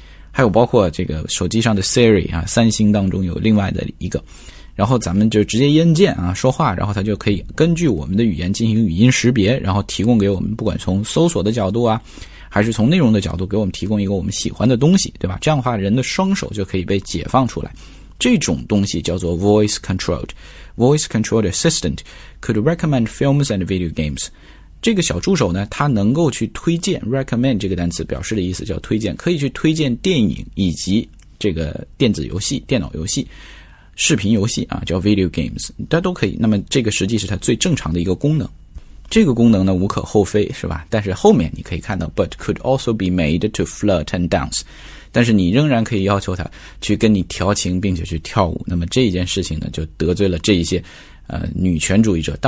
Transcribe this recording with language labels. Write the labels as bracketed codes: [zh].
[zh] 还有包括这个手机上的 Siri 啊，三星当中有另外的一个，然后咱们就直接按键啊说话，然后它就可以根据我们的语言进行语音识别，然后提供给我们不管从搜索的角度啊还是从内容的角度给我们提供一个我们喜欢的东西，对吧，这样的话人的双手就可以被解放出来。这种东西叫做 voice controlled。 [en] voice controlled assistant could recommend films and video games。 [zh] 这个小助手呢它能够去推荐 recommend 这个单词表示的意思叫推荐，可以去推荐电影以及这个电子游戏电脑游戏。视频游戏啊，叫 video games, 它都可以。那么这个实际是它最正常的一个功能。这个功能呢无可厚非，是吧，但是后面你可以看到 [en] but could also be made to flirt and dance, [zh] 但是你仍然可以要求它去跟你调情并且去跳舞。那么这件事情呢就得罪了这一些女权主义者。